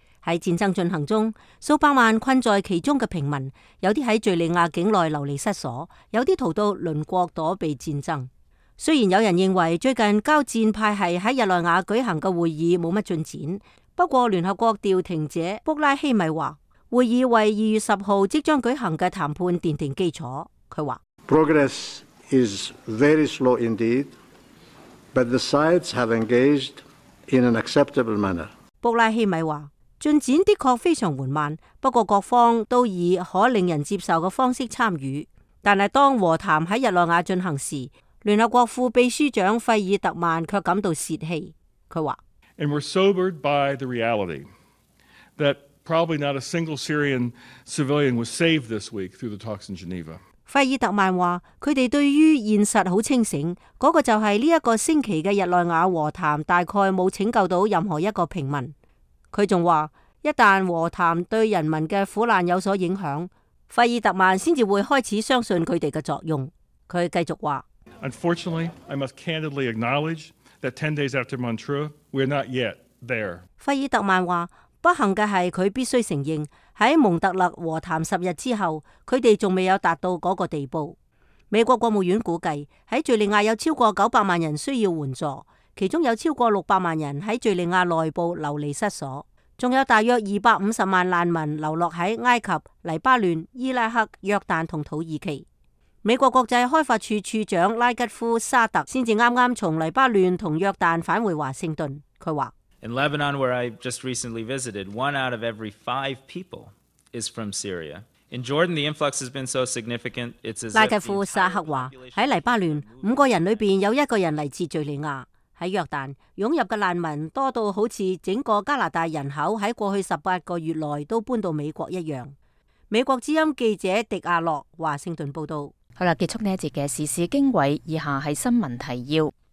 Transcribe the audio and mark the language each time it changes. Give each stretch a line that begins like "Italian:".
Chinese: 在战争进行中，数百万困在其中的平民，有些在叙利亚境内流离失所，有些逃到邻国躲避战争。虽然有人认为最近交战派系在日内瓦举行的会议没什么进展，不过联合国调停者布拉希米说，会议为2月10日即将举行的谈判奠定基础。他说，
English: Progress is very slow indeed. But the sides have engaged in an acceptable manner.
Chinese: 布拉希米说，进展的确非常缓慢，不过各方都以可令人接受的方式参与。但是当和谈在日内瓦进行时，联合国副秘书长费尔特曼却感到泄气。他说，
English: And we're sobered by the reality that probably not a single Syrian civilian was saved this week through the talks in Geneva.
Chinese: 费尔特曼说，他们对于现实很清醒，那个就是这个星期的日内瓦和谈大概没有拯救到任何一个平民。他还说，一旦和谈对人民的苦难有所影响，费尔特曼才会开始相信他们的作用。他继续说，
English: Unfortunately, I must candidly acknowledge that 10 days after Montreux, we're not yet there.
Chinese: 费尔特曼说，不幸的是他必须承认，在蒙特勒和谈十日之后，他们还没有达到那个地步。美国国务院估计，在叙利亚有超过900万人需要援助，其中有超过600万人在叙利亚内部流离失所，还有大约250万难民流落在埃及、黎巴嫩、伊拉克、约旦和土耳其。美国国际开发处处长拉吉夫·沙特才刚刚从黎巴嫩和约旦返回华盛顿，他说，
English: In Lebanon, where I just recently visited, one out of every five people is from Syria. In Jordan, the influx has been so significant, it's as if the entire population...
Chinese: 拉吉夫·沙克娃在黎巴嫩，5个人里面有一个人来自叙利亚。在约旦涌入的难民多到好像整个加拿大人口在过去18个月内都搬到美国一样。美国之音记者迪亚洛华盛顿报道。好了，结束这一节的时事经纬，以下是新闻提要。